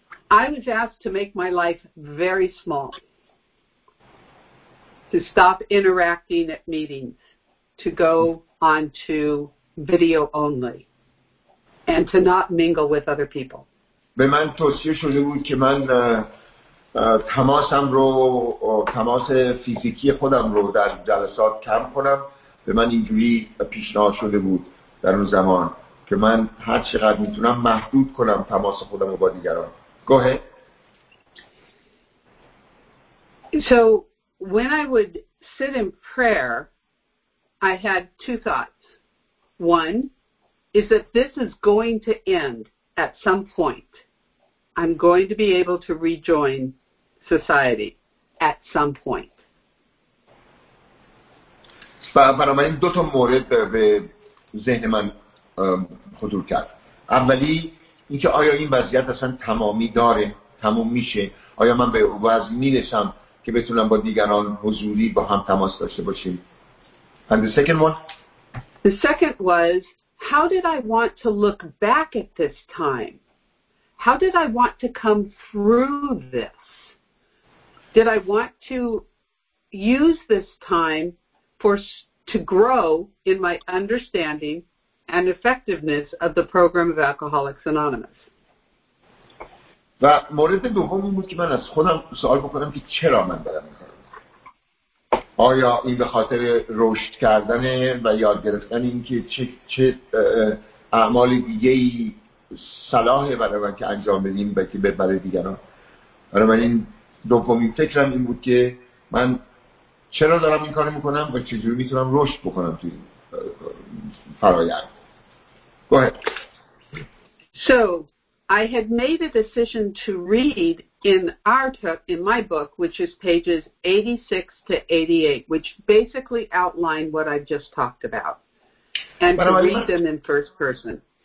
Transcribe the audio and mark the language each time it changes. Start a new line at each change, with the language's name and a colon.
English: I was asked to make my life very small, to stop interacting at meetings, to go on to video only, and to not mingle with other people.
Persian: به من توصیه شده بود که من تماسم رو، تماس فیزیکی خودم رو در جلسات کم کنم. به من اینجوری پیشنهاد شده بود در اون زمان که من هر چقدر میتونم محدود کنم تماس خودم رو با دیگران.
English: Go ahead. So when I would sit in prayer, I had two thoughts. One is that this is going to end at some point. I'm going to be able to rejoin society at some point.
Persian: و بنابراین دو تا مورد به ذهن من خطور کرد. اولی اینکه آیا این وضعیت اصلا تمامی داره، تموم میشه؟ آیا من به وضع میرسم که بتونم با دیگران حضوری با هم تماس داشته باشیم؟
English: And the second one? The second was, how did I want to look back at this time? How did I want to come through this? Did I want to use this time to grow in my understanding and effectiveness of the program of Alcoholics Anonymous.
Persian: و مورد دومی بود که من از خودم سوال بکنم که چرا من دارم این کارو می‌کنم. آیا این به خاطر رشد کردن و یاد گرفتن اینکه چه اعمال دیگه‌ای صلاح برای من که انجام بدیم و که برای دیگران. برای من این دومین فکرم این بود که من چرا دارم این کارو میکنم و چجوری میتونم رشد بکنم توی فرایند.
English: Go ahead. So, I had made a decision to read in my book, which is pages 86 to 88, which basically outline what I've just talked about, and to read them in first person.